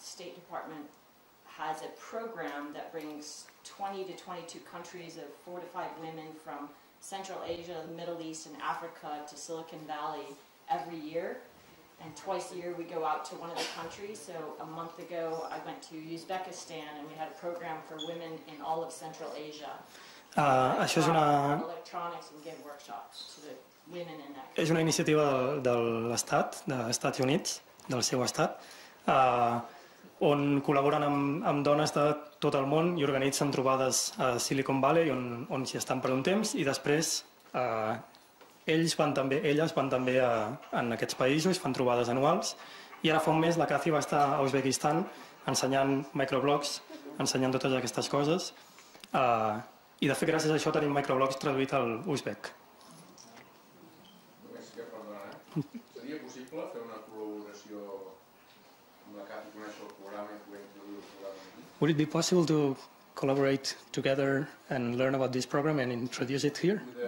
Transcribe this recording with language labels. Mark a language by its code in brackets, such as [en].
[en] State Department has a program that brings 20 to 22 countries of 4 to 5 women from Central Asia, the Middle East, and Africa to Silicon Valley every year. And twice a year we go out to one of the countries. So a month ago I went to Uzbekistan and we had a program for women in all of Central Asia. [ca] Això és una... [en] Electronics and give workshops to the women in that [ca] country. És una iniciativa de l'Estat, dels Estats Units, del seu estat, on col·laboren amb dones de tot el món i organitzen trobades a Silicon Valley on s'hi estan per un temps i després... Ells van també, elles van també en aquests països, fan trobades anuals. I ara fa un mes la Cathy va estar a Uzbekistan ensenyant microblogs, ensenyant totes aquestes coses. I de fet, gràcies a això tenim microblogs traduït al uzbek. Només que perdona, seria possible fer una col·laboració amb la Cathy, coneix el programa i poder introduir el programa? [en] Would it be possible to collaborate together and learn about this program and introduce it here?